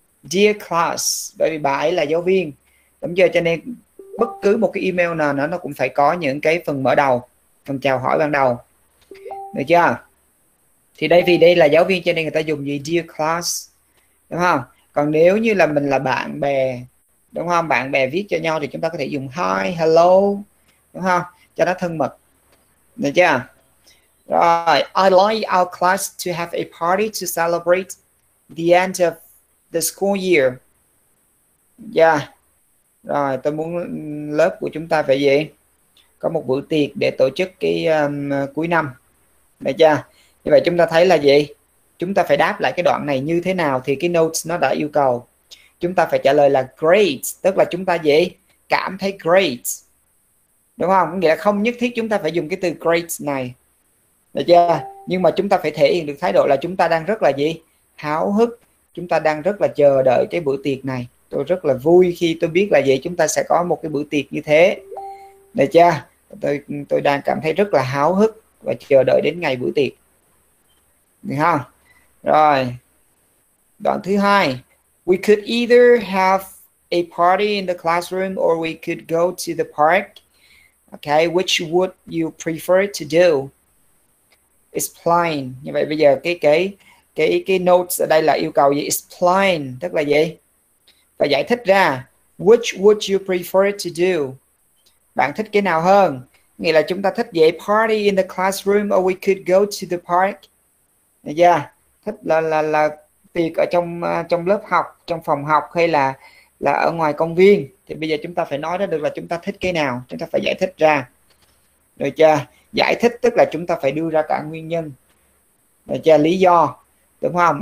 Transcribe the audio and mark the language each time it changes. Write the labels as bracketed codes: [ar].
[en] Dear class, [vi] bởi vì bà ấy là giáo viên. Đúng chưa? Cho nên bất cứ một cái email nào nó cũng phải có những cái phần mở đầu, phần chào hỏi ban đầu. Được chưa? Thì đây vì đây là giáo viên cho nên người ta dùng gì? [en] Dear class. [vi] Đúng không? Còn nếu như là mình là bạn bè, đúng không? Bạn bè viết cho nhau thì chúng ta có thể dùng hi, hello. Đúng không? Cho nó thân mật. Được chưa? [en] Rồi, I'd like our class to have a party to celebrate the end of the school year. Yeah. [vi] Rồi, tôi muốn lớp của chúng ta phải gì? Có một bữa tiệc để tổ chức cái cuối năm. Được chưa? Như vậy chúng ta thấy là gì? Chúng ta phải đáp lại cái đoạn này như thế nào thì cái notes nó đã yêu cầu. Chúng ta phải trả lời là great, tức là chúng ta gì? Cảm thấy great. Đúng không? Nghĩa là không nhất thiết chúng ta phải dùng cái từ great này. Được chưa? Nhưng mà chúng ta phải thể hiện được thái độ là chúng ta đang rất là gì? Háo hức. Chúng ta đang rất là chờ đợi cái bữa tiệc này. Tôi rất là vui khi tôi biết là gì? Chúng ta sẽ có một cái bữa tiệc như thế. Được chưa? Tôi đang cảm thấy rất là háo hức và chờ đợi đến ngày bữa tiệc. Được không? Rồi. Đoạn thứ hai. [en] We could either have a party in the classroom or we could go to the park. Okay, which would you prefer to do? Explain. [vi] Như vậy bây giờ cái notes ở đây là yêu cầu gì? Explain, tức là gì? Và giải thích ra. [en] Which would you prefer to do? [vi] Bạn thích cái nào hơn? Nghĩa là chúng ta thích gì? [en] Party in the classroom or we could go to the park. [vi] Yeah, thích là tiệc ở trong trong lớp học, trong phòng học hay là ở ngoài công viên. Thì bây giờ chúng ta phải nói ra được là chúng ta thích cái nào. Chúng ta phải giải thích ra. Được chưa? Giải thích tức là chúng ta phải đưa ra cả nguyên nhân. Được chưa? Lý do. Đúng không?